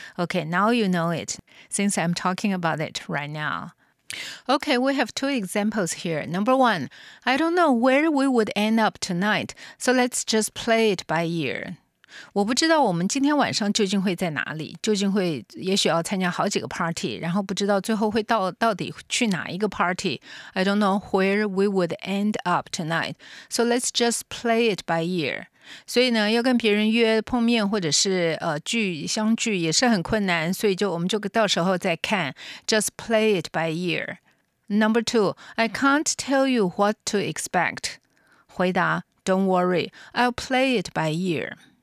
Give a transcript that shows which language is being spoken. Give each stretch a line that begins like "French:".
English: Okay, now you know it, since I'm talking about it right now. Okay, we have two examples here. Number one, I don't know where we would end up tonight, so let's just play it by ear.
Chinese: 我不知道我们今天晚上究竟会在哪里，究竟会也许要参加好几个 party, 然后不知道最后会到底去哪一个 party.
English: I don't know where we would end up tonight, so let's just play it by ear.
Chinese: 所以呢要跟别人约碰面或者是相聚也是很困难所以就我们就到时候再看
English: Just play it by ear Number two I can't tell you what to expect
Chinese: 回答
English: Don't worry I'll play it by ear